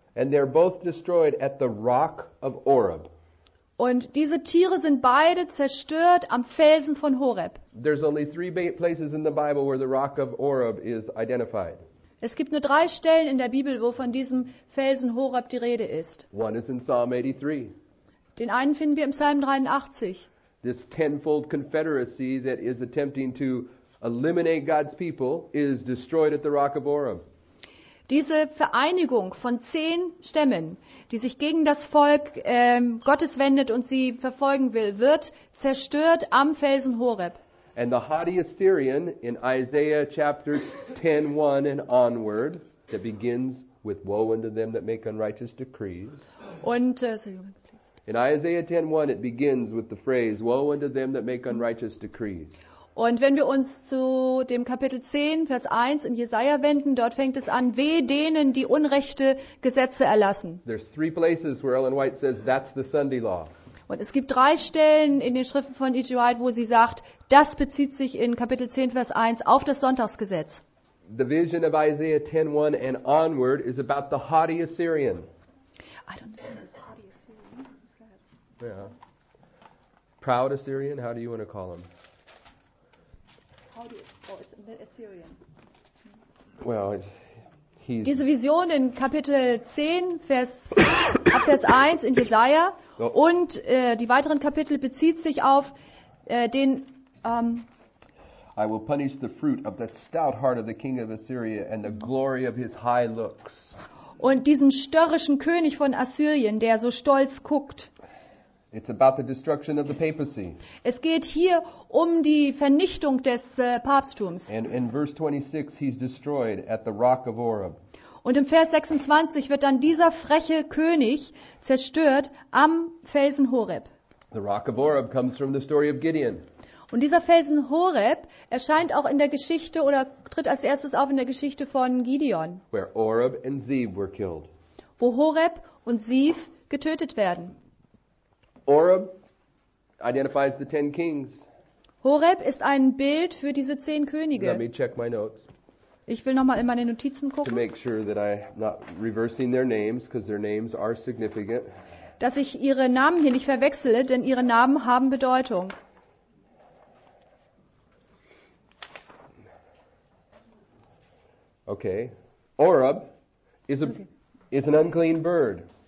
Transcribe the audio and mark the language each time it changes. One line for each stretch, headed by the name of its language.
English: And they're both destroyed at the rock of Oreb.
German: Und diese Tiere sind beide zerstört am Felsen von Horeb.
English: There's only 3 places in the Bible where the rock of Oreb is identified.
German: Es gibt nur 3 Stellen in der Bibel, wo von diesem Felsen Horeb die Rede ist.
English: One is in Psalm 83.
German: Den einen finden wir im Psalm 83.
English: This tenfold confederacy that is attempting to eliminate God's people is destroyed at the rock of Oreb.
German: Diese Vereinigung von 10 Stämmen, die sich gegen das Volk Gottes wendet und sie verfolgen will, wird zerstört am Felsen Horeb.
English: And the haughty Assyrian in Isaiah chapter 10:1 and onward that begins with woe unto them that make unrighteous decrees. In Isaiah 10:1 it begins with the phrase woe unto them that make unrighteous decrees.
German: Und wenn wir uns zu dem Kapitel 10 Vers 1 in Jesaja wenden, dort fängt es an: Weh denen, die unrechte Gesetze erlassen.
English: There's 3 places where Ellen White says that's the Sunday law.
German: Und es gibt 3 Stellen in den Schriften von E.G. White, wo sie sagt, das bezieht sich in Kapitel 10 Vers 1 auf das Sonntagsgesetz.
English: The vision of Isaiah 10:1 and onward is about the haughty Assyrian. I don't understand. Yeah. Proud Assyrian, how do you want to call him? It's Assyrian. Well, he's
German: diese Vision in Kapitel 10 Vers 1 in Jesaja und die weiteren Kapitel bezieht sich auf den
English: I will punish the fruit of the stout heart of the king of Assyria and the glory of his high looks.
German: Und diesen störrischen König von Assyrien, der so stolz guckt.
English: It's about the destruction of the papacy.
German: Es geht hier um die Vernichtung des Papsttums.
English: And in verse 26 he's destroyed at the rock of Oreb.
German: Und im Vers 26 wird dann dieser freche König zerstört am Felsen Horeb.
English: The rock of Oreb comes from the story of Gideon.
German: Und dieser Felsen Horeb erscheint auch in der Geschichte oder tritt als erstes auf in der Geschichte von Gideon.
English: Where Oreb and Zeb were killed.
German: Wo Horeb und Zeb getötet werden.
English: Oreb identifies the 10 kings.
German: Horeb ist ein Bild für diese 10 Könige.
English: Let me check my notes.
German: Ich will nochmal in meine Notizen gucken.
English: To make sure that I'm not reversing their names, because their names are significant.
German: Dass ich ihre Namen hier nicht verwechsle, denn ihre Namen haben Bedeutung.
English: Okay. Oreb is an unclean bird.